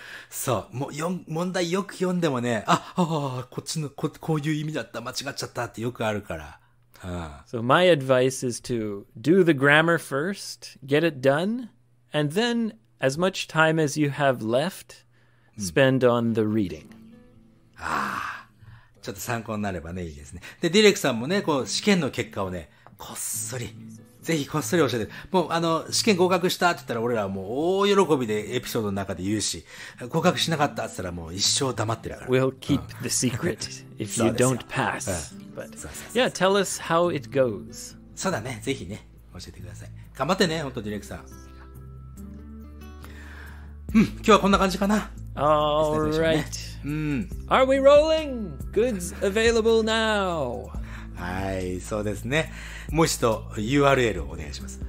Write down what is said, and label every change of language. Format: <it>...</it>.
<ja>そう、もう問題よく読んでもね、こっちの こういう意味だった、間違っちゃったってよくあるから。</ja> <en>So my advice is to do the grammar first, get it done, and then as much time as you have left, spend on the reading.</en> <ja>ちょっと参考になればね、いいですね。で、ディレクさんもね、こう試験の結果をね、こっそり、ぜひこっそり教えて。もう、あの、試験合格したって言ったら、俺らはもう大喜びでエピソードの中で言うし、合格しなかったって言ったら、もう一生黙ってるから。</ja> <en>We'll keep the secret if you don't pass. But, yeah, tell us how it goes.</en> <ja>そうだね、ぜひね、教えてください。頑張ってね、ほんと、ディレクさん。今日はこんな感じかな。</ja> <en>All right. Are we rolling? Goods available now.</en> <ja>はい、そうですね。もう一度 URL をお願いします。</ja>